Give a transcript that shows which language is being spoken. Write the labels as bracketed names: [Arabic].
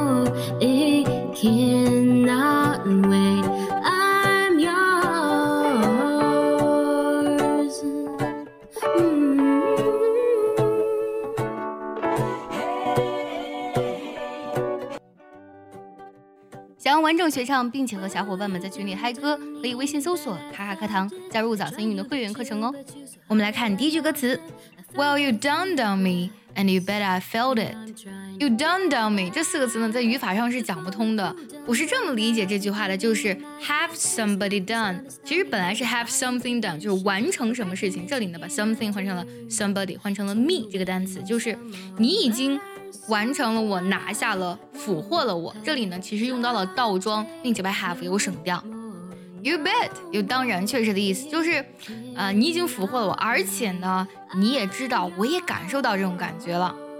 [English] Cannot wait, I'm yours、hey. [Chinese] 想要完整学唱并且和小伙伴们在群里嗨歌，可以微信搜索卡卡课堂加入早餐英语的会员课程哦。我们来看第一句歌词。 [English] Well, you dunned on me and you bet I felt itYou dunned on me [Chinese] 这四个词呢在语法上是讲不通的。我是这么理解这句话的，就是 [English] have somebody done， [Chinese] 其实本来是 [English] have something done， [Chinese] 就是完成什么事情。这里呢把 something 换成了 somebody， 换成了 me 这个单词，就是你已经完成了，我拿下了，俘获了我。这里呢其实用到了倒装，并且把 have 给我省掉。You bet 有当然确实的意思，就是、你已经俘获了我，而且呢你也知道，我也感受到这种感觉了。